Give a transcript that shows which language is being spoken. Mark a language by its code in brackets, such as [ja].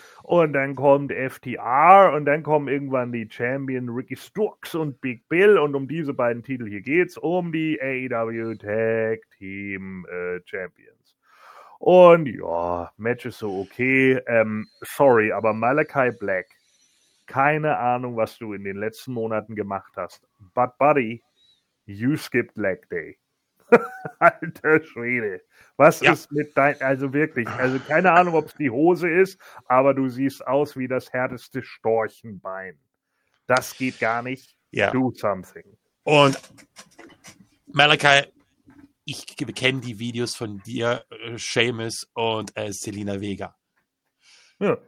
[de] Und dann kommt FTR und dann kommen irgendwann die Champion Ricky Starks und Big Bill. Und um diese beiden Titel hier geht's, um die AEW Tag Team Champions. Und ja, Match ist so okay. Sorry, aber Malakai Black, keine Ahnung, was du in den letzten Monaten gemacht hast. [en] But buddy, you skipped Leg Day. [de] Alter Schwede. Was ist mit deinem, also wirklich, also keine Ahnung, ob es die Hose ist, aber du siehst aus wie das härteste Storchenbein. Das geht gar nicht. Ja. [en] Do something. [de] Und Malakai, ich kenne die Videos von dir, Seamus und Selina Vega. Ja.